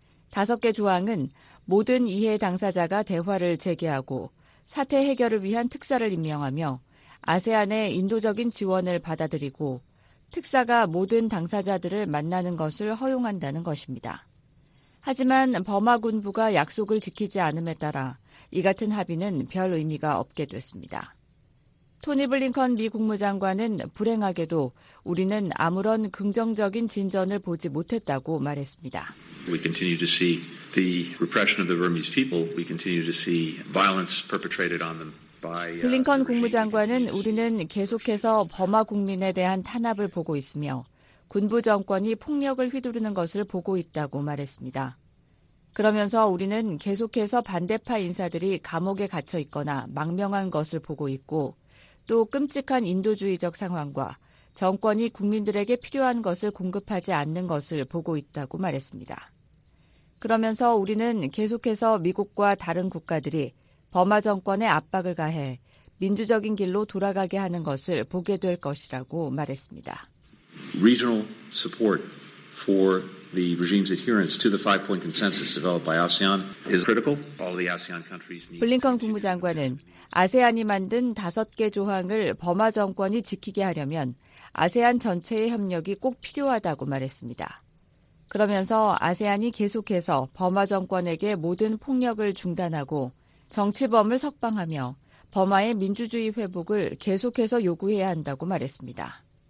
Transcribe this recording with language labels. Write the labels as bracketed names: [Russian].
[Korean] 5개 조항은 모든 이해 당사자가 대화를 재개하고 사태 해결을 위한 특사를 임명하며 아세안의 인도적인 지원을 받아들이고 특사가 모든 당사자들을 만나는 것을 허용한다는 것입니다. 하지만 버마 군부가 약속을 지키지 않음에 따라 이 같은 합의는 별 의미가 없게 됐습니다. 토니 블링컨 미 국무장관은 불행하게도 우리는 아무런 긍정적인 진전을 보지 못했다고 말했습니다. [English] We continue to see the repression of the Burmese people. We continue to see violence perpetrated on them by [Korean] 블링컨 국무장관은 우리는 계속해서 버마 국민에 대한 탄압을 보고 있으며 군부 정권이 폭력을 휘두르는 것을 보고 있다고 말했습니다. 그러면서 우리는 계속해서 반대파 인사들이 감옥에 갇혀 있거나 망명한 것을 보고 있고 또 끔찍한 인도주의적 상황과 정권이 국민들에게 필요한 것을 공급하지 않는 것을 보고 있다고 말했습니다. 그러면서 우리는 계속해서 미국과 다른 국가들이 버마 정권의 압박을 가해 민주적인 길로 돌아가게 하는 것을 보게 될 것이라고 말했습니다. [English] Regional support for the regime's adherence to the five-point consensus developed by ASEAN is critical. All the ASEAN countries need. [Korean] 블링컨 국무장관은 아세안이 만든 다섯 개 조항을 버마 정권이 지키게 하려면 아세안 전체의 협력이 꼭 필요하다고 말했습니다. 그러면서 아세안이 계속해서 버마 정권에게 모든 폭력을 중단하고 정치범을 석방하며 버마의 민주주의 회복을 계속해서 요구해야 한다고 말했습니다.